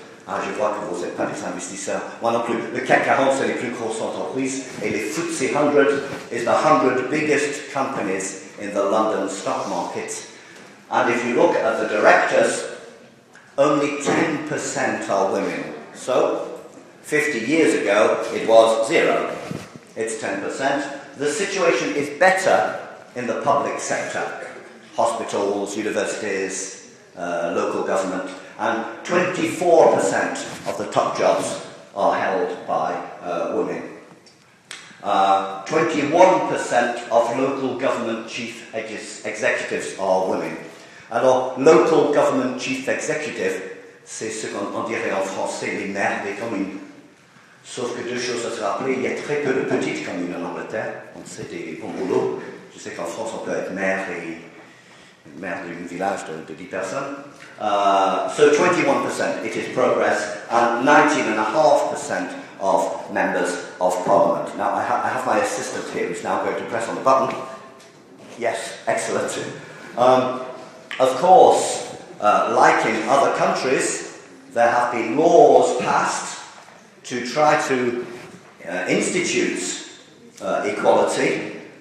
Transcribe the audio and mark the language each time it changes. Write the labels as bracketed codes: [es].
[fr] Ah, je vois que vous n'êtes pas des investisseurs. Moi non plus. Le CAC 40, c'est les plus grosses entreprises. Et le [en] FTSE 100 is the 100 biggest companies in the London stock market. And if you look at the directors, only 10% are women. So, 50 years ago, it was zero. It's 10%. The situation is better in the public sector. Hospitals, universities, local government. And 24% of the top jobs are held by women. 21% of local government chief executives are women. [fr] Alors, [en] local government chief executive, [fr] c'est ce qu'on dirait en français, les maires des communes. Sauf que deux choses à se rappeler, il y a très peu de petites communes en Angleterre. On sait des bons boulots. Je sais qu'en France, on peut être maire d'un village de 10 personnes. [en] So 21%, it is progress, and 19.5% of members of parliament. Now, I have my assistant here who's now going to press on the button. Yes, excellent. Of course, like in other countries, there have been laws passed to try to institute equality.